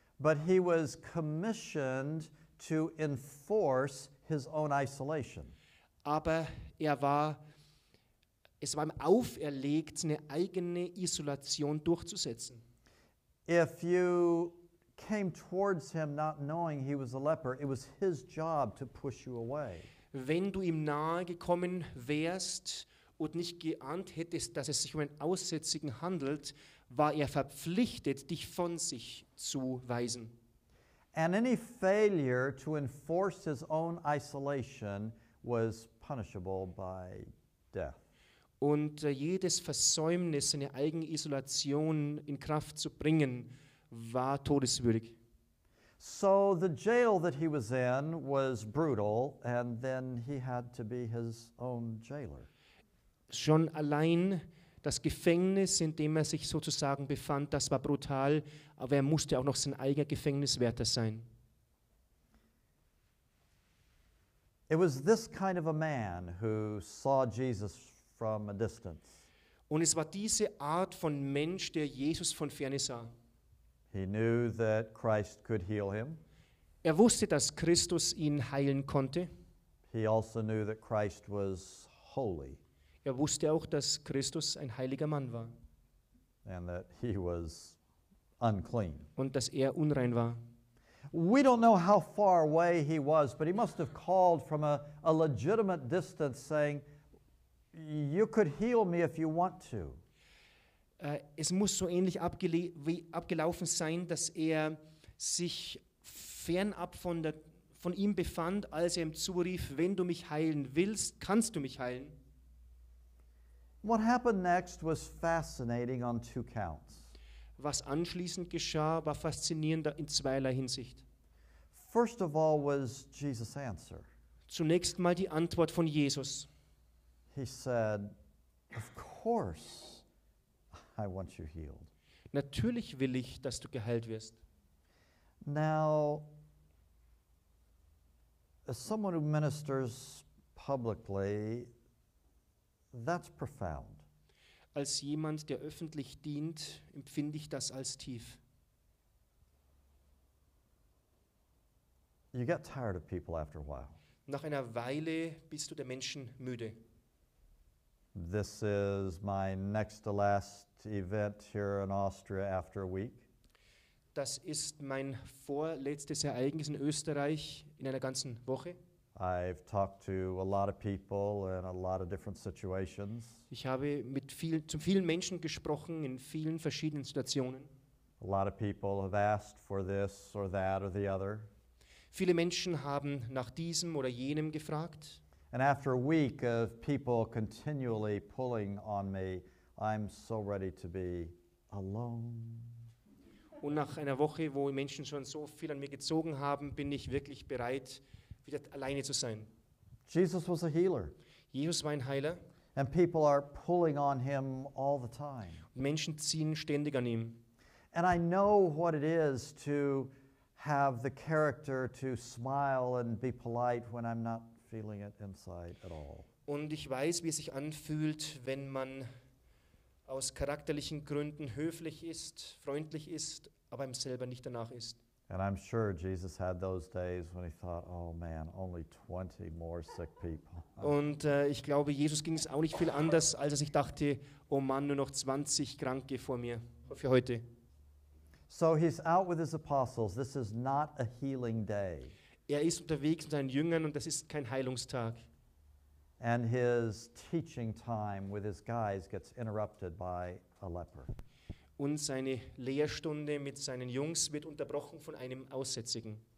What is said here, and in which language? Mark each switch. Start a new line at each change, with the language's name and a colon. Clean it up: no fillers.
English: But he was commissioned to enforce his own isolation.
German: Aber es war ihm auferlegt, seine eigene Isolation durchzusetzen.
English: If you came towards him not knowing he was a leper, it was his job to push you away.
German: Wenn du ihm nahe gekommen wärst und nicht geahnt hättest, dass es sich um einen Aussätzigen handelt, war er verpflichtet, dich von sich zu weisen.
English: And any failure to enforce his own isolation was punishable by death.
German: Und jedes Versäumnis, seine eigene Isolation in Kraft zu bringen, war todeswürdig.
English: So the jail that he was in was brutal, and then he had to be his own jailer.
German: Schon allein das Gefängnis, in dem er sich sozusagen befand, das war brutal, aber er musste auch noch sein eigener Gefängniswärter sein.
English: It was this kind of a man who saw Jesus from a distance.
German: Und es war diese Art von Mensch, der Jesus von Ferne sah.
English: He knew that Christ could heal him.
German: Er wusste, dass Christus ihn heilen konnte.
English: He also knew that Christ was holy.
German: Er wusste auch, dass Christus ein heiliger Mann war.
English: And that he was unclean.
German: Und dass er unrein war.
English: We don't know how far away he was, but he must have called from a legitimate distance saying, you could heal me if you want to.
German: Es muss so ähnlich abgelaufen sein, dass er sich fernab von ihm befand, als er ihm zurief, wenn du mich heilen willst, kannst du mich heilen.
English: What happened next was fascinating on two counts.
German: Was anschließend geschah, war faszinierend in zweierlei Hinsicht.
English: First of all was Jesus' answer.
German: Zunächst mal die Antwort von Jesus.
English: He said, of course I want you healed.
German: Natürlich will ich, dass du geheilt wirst.
English: Now, as someone who ministers publicly, that's profound.
German: Als jemand, der öffentlich dient, empfinde ich das als tief.
English: You get tired of people after a while.
German: Nach einer Weile bist du der Menschen müde.
English: This is my next to last event here in Austria after a week.
German: Das ist mein vorletztes Ereignis in Österreich in einer ganzen Woche.
English: I've talked to a lot of people in a lot of different situations.
German: Ich habe mit zu vielen Menschen gesprochen in vielen verschiedenen Situationen.
English: A lot of people have asked for this or that or the other.
German: Viele Menschen haben nach diesem oder jenem gefragt.
English: And after a week of people continually pulling on me, I'm so ready to be alone.
German: Und nach einer Woche, wo Menschen schon so viel an mir gezogen haben, bin ich wirklich bereit, wieder alleine zu sein.
English: Jesus was a healer.
German: Jesus war ein Heiler.
English: And people are pulling on him all the time.
German: Menschen ziehen ständig an ihm.
English: And I know what it is to have the character to smile and be polite when I'm not feeling it inside at all.
German: Und ich weiß, wie es sich anfühlt, wenn man aus charakterlichen Gründen höflich ist, freundlich ist, aber im selber nicht danach ist.
English: And I'm sure Jesus had those days when he thought, oh man, only 20 more sick people.
German: Und ich glaube, Jesus ging es auch nicht viel anders, als ich dachte, oh Mann, nur noch 20 Kranke vor mir für heute.
English: So he's out with his apostles. This is not a healing day.
German: Er ist unterwegs mit seinen Jüngern und das ist kein Heilungstag.
English: And his teaching time with his guys gets interrupted by a leper.
German: Und seine Lehrstunde mit seinen Jungs wird unterbrochen von einem Aussätzigen.